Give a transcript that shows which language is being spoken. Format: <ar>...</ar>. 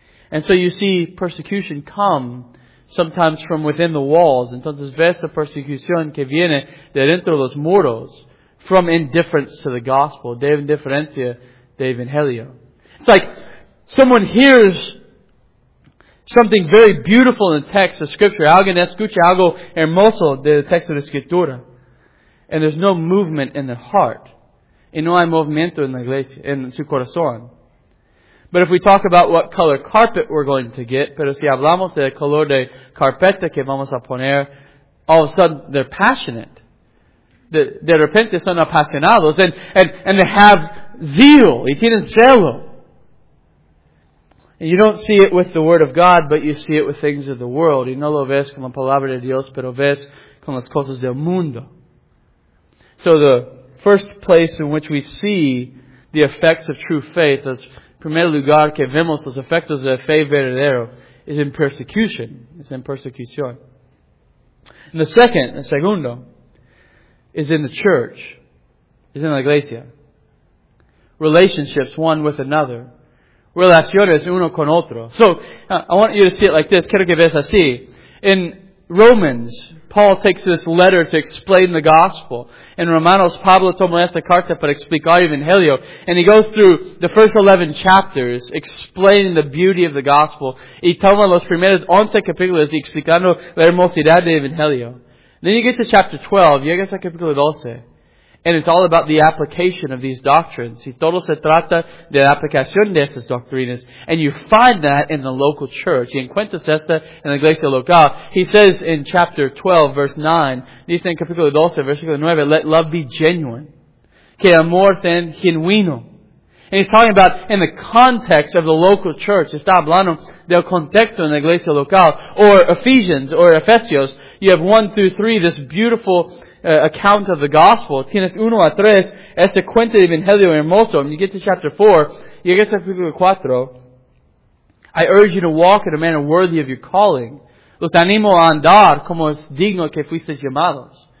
<en>And so you see persecution come sometimes from within the walls.</en> <es>Entonces ves la persecución que viene de dentro de los muros</es> <en>from indifference to the gospel.</en> <es>De indiferencia de evangelio.</es> <en>It's like someone hears something very beautiful in the text of Scripture.</en> <es>Alguien escucha algo hermoso del texto de Escritura.</es> <en>And there's no movement in their heart.</en> <es>Y no hay movimiento en la iglesia, en su corazón.</es> <en>But if we talk about what color carpet we're going to get,</en> <es>pero si hablamos del color de carpeta que vamos a poner,</es> <en>all of a sudden they're passionate.</en> <es>De repente son apasionados</es> <en>and they have zeal.</en> <es>Y tienen celo.</es> <en>And you don't see it with the Word of God, but you see it with things of the world.</en> <es>Y no lo ves con la palabra de Dios, pero ves con las cosas del mundo.</es> <en>So the first place in which we see the effects of true faith,</en> <es>as primer lugar que vemos los efectos de fe verdadero,</es> <en>is in persecution. It's in persecución. And the segundo, is in the church. Is in la iglesia. Relationships one with another.</en> <es>Relaciones uno con otro.</es> <en>So, I want you to see it like this.</en> <es>Quiero que veas así.</es> <en>In Romans, Paul takes this letter to explain the gospel.</en> <es>In Romanos, Pablo tomó esta carta para explicar el evangelio.</es> <en>And he goes through the first 11 chapters explaining the beauty of the gospel.</en> <es>Y toma los primeros 11 capítulos y explicando la hermosidad del evangelio.</es> <en>Then you get to chapter 12,</en> <es>llegas a capítulo 12.</es> <en>And it's all about the application of these doctrines.</en> <es>Y todo se trata de la aplicación de estas doctrinas.</es> <en>And you find that in the local church.</en> <es>Y encuentras esta en la iglesia local.</es> <en>He says in chapter 12, verse 9,</en> <es>dice en capítulo 12, versículo 9,</es> <en>let love be genuine.</en> <es>Que amor sea genuino.</es> <en>And he's talking about in the context of the local church.</en> <es>Está hablando del contexto en la iglesia local.</es> <en>Or Ephesians, or Efesios. You have 1 through 3, this beautiful account of the gospel.</en> <es>Tienes uno a tres, ese cuento de evangelio hermoso.</es> <en>And you get to chapter 4, you get to capítulo 4. I urge you to walk in a manner worthy of your calling.</en> <es>Los animo a andar como es digno que fuisteis llamados.</es>